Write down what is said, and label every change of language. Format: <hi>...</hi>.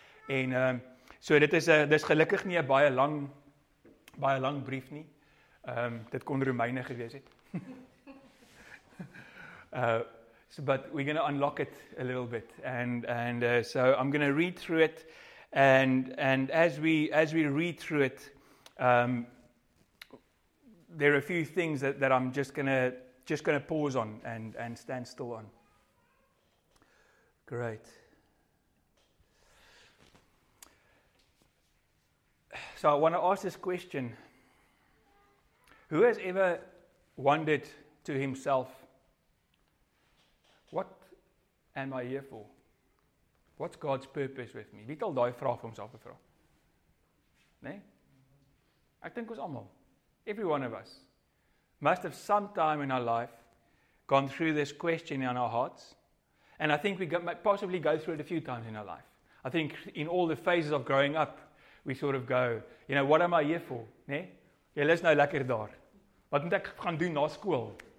<af>En so dit is gelukkig nie 'n baie lang brief nie. Dit kon Romeine gewees het.</af> <en>So, but we're going to unlock it a little bit, and so I'm going to read through it, and as we read through it, there are a few things that I'm just going to pause on and stand still on. Great. So I want to ask this question: who has ever wondered to himself, what am I here for? What's God's purpose with me?</en> <af>Wie het al daai vraag vir homself gevra? Nee? Ek dink ons almal,</af> <en>every one of us, must have sometime in our life gone through this question in our hearts. And I think we might possibly go through it a few times in our life. I think in all the phases of growing up, we sort of go, you know, what am I here for?</en> <af>Nee? Jy lus nou lekker daar. Wat moet ek gaan doen na skool?</af>